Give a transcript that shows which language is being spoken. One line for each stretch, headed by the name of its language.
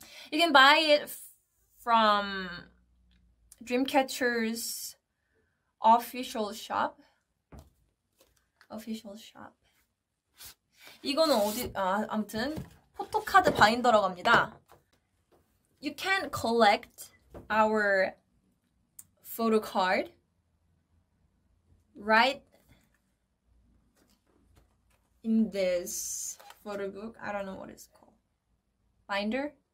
English: You can buy it from Dreamcatcher's official shop.
Korean: 이거는 어디? 아, 아무튼 포토카드 바인더라고 합니다.
English: You can collect our photo card right in this photo book. I don't know what it's called. Binder.